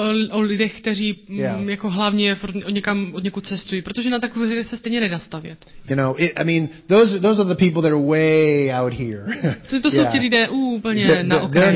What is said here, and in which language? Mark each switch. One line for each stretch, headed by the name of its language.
Czech: O lidech, kteří jako hlavně od někud cestují, protože na takové lidi se stejně nedá stavět.
English: You know, those are the people that are way out here.
Czech: To jsou ti lidé úplně na okraji.